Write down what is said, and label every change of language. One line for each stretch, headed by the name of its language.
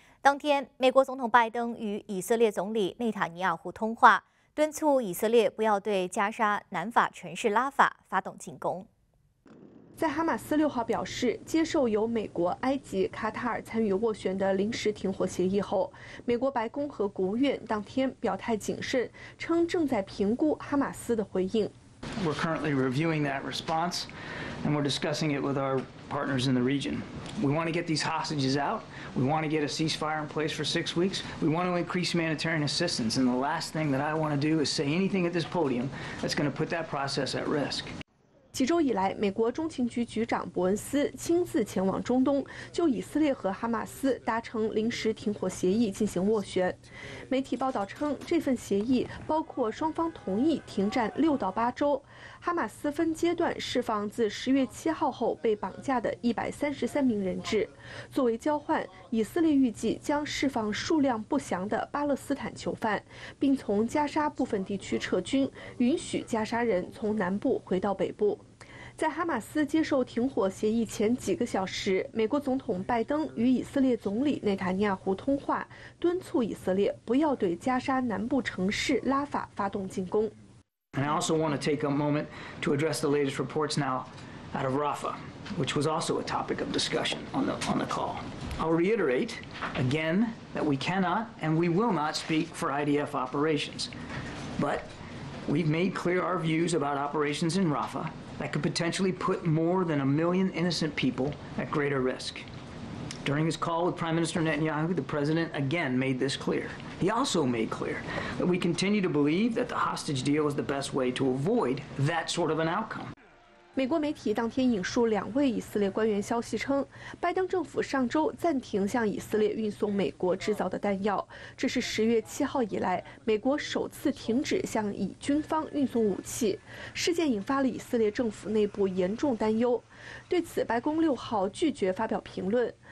Chinese: 当天，美国总统拜登与以色列总理内塔尼亚胡通话，敦促以色列不要对加沙南法城市拉法发动进攻。在哈马斯六号表示接受由美国、埃及、卡塔尔参与斡旋的临时停火协议后，美国白宫和国务院当天表态谨慎，称正在评估哈马斯的回应。
English: We're currently reviewing that response, and we're discussing it with our partners in the region. We want to get these hostages out. We want to get a ceasefire in place for 6 weeks. We want to increase humanitarian assistance. And the last thing that I want to do is say anything at this podium that's going to put that process at risk.
Chinese: 几周以来，美国中情局局长伯恩斯亲自前往中东，就以色列和哈马斯达成临时停火协议进行斡旋。媒体报道称，这份协议包括双方同意停战6到8周，哈马斯分阶段释放自10月7号后被绑架的133名人质。作为交换，以色列预计将释放数量不详的巴勒斯坦囚犯，并从加沙部分地区撤军，允许加沙人从南部回到北部。在哈马斯接受停火协议前几个小时，美国总统拜登与以色列总理内塔尼亚胡通话，敦促以色列不要对加沙南部城市拉法发动进攻。
English: And I also want to take a moment to address the latest reports now out of Rafah, which was also a topic of discussion on the call. I'll reiterate again that we cannot and we will not speak for IDF operations, but we've made clear our views about operations in Rafah. That could potentially put more than 1 million innocent people at greater risk. During his call with Prime Minister Netanyahu, the president again made this clear. He also made clear that we continue to believe that the hostage deal is the best way to avoid that sort of an outcome.
Chinese: 美国媒体当天引述两位以色列官员消息称，拜登政府上周暂停向以色列运送美国制造的弹药，这是10月7号以来美国首次停止向以军方运送武器。事件引发了以色列政府内部严重担忧。对此，白宫6号拒绝发表评论。